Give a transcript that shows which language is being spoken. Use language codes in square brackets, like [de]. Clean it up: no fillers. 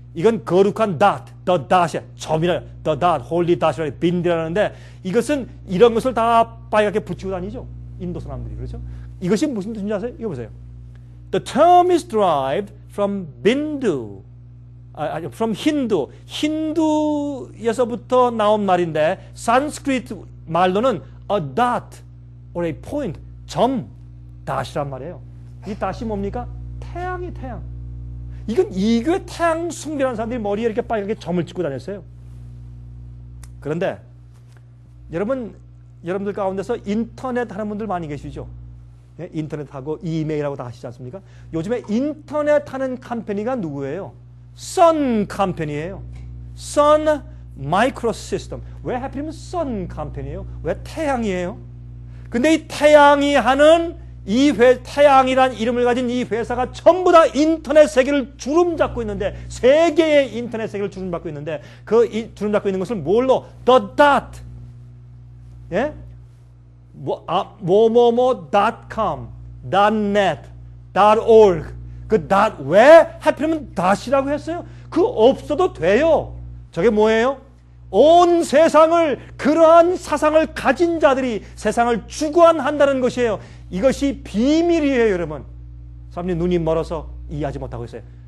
[ko] 이건 거룩한 dot, the dot, 점이라, [en] the dot, holy dot [ko] 이라고 빈디라는데 이것은 이런 것을 다 빨갛게 붙이고 다니죠. 인도 사람들이 그렇죠. 이것이 무슨 뜻인지 아세요? 이거 보세요. [en] The term is derived from Bindu. From Hindu. [ko] Hindu에서부터 나온 말인데 Sanskrit 말로는 [en] a dot or a point, [ko] 점, dash란 말이에요. 이 dash이 뭡니까? 태양이 태양. 이건 이교의 태양 숭배하는 사람들이 머리에 이렇게 빨갛게 점을 찍고 다녔어요. 그런데 여러분들 가운데서 인터넷 하는 분들 많이 계시죠? 예? 인터넷하고 이메일하고 다 하시지 않습니까? 요즘에 인터넷 하는 컴퍼니가 누구예요? Sun Company예요. [en] Sun Microsystem. [ko] 왜 하필이면 Sun Company예요? 왜 태양이에요? 근데 이 태양이 하는 태양이란 이름을 가진 이 회사가 전부 다 인터넷 세계를 주름잡고 있는데 세계의 인터넷 세계를 주름잡고 있는데 그 주름잡고 있는 것을 뭘로? [en] The dot. [ko] 예? 뭐뭐뭐.com, .net, .org. 그 dot 왜 하필이면 dot이라고 했어요? 그 없어도 돼요. 저게 뭐예요? 온 세상을 그러한 사상을 가진 자들이 세상을 주관한다는 것이에요. 이것이 비밀이에요, 여러분. 사람들이 눈이 멀어서 이해하지 못하고 있어요.